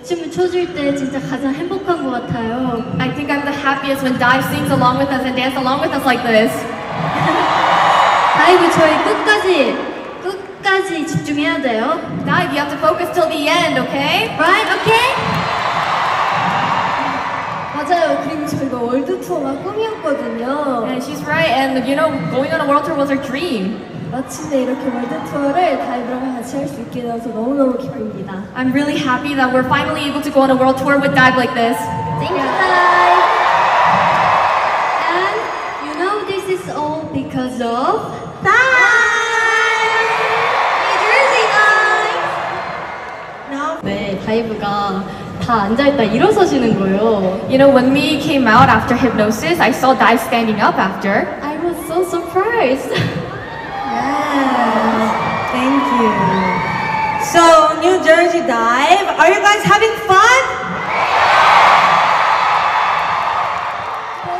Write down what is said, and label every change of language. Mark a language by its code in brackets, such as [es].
[ko] 춰줄 때 진짜 가장 행복한 것 같아요. [en] I think I'm the happiest when Dive sings along with us and dance along with us like this. [ko] 다이브 저희 끝까지 집중해야 돼요. [en] Dive, you have to focus till the end, okay? Right, okay? [ko] 맞아요. 그리고 저희가 월드 투어가 꿈이었거든요. [en] Yeah, she's right. And you know, going on a world tour was her dream. [ko] 마침내 이렇게 월드 투어를 다이브랑 같이 할 수 있게 돼서 너무너무 기쁩니다. [en] I'm really happy that we're finally able to go on a world tour with Dive like this. Thank you, Dive. And you know, this is all because of Dive! New Jersey Dive! No. [ko] 네, 다이브가 다 앉아있다 일어서시는 거예요. [en] You know, when we came out after hypnosis, I saw Dive standing up after. I was so surprised. Yes. Thank you. So, New Jersey Dive, are you guys having fun? Yeah!